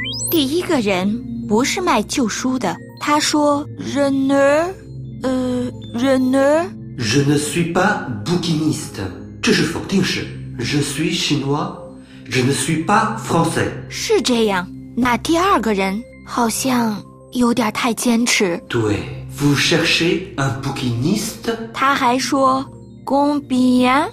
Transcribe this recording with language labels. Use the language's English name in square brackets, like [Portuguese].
[Chinese] 第一个人不是卖救书的，他说 [French] Je ne suis pas bouquiniste. [Chinese] 这是否定式。 [French] Je suis chinois. Je ne suis pas français. [Chinese] 是这样。那第二个人好像有点太坚持。对。 [French] Vous cherchez un bouquiniste? [Chinese] 他还说combien?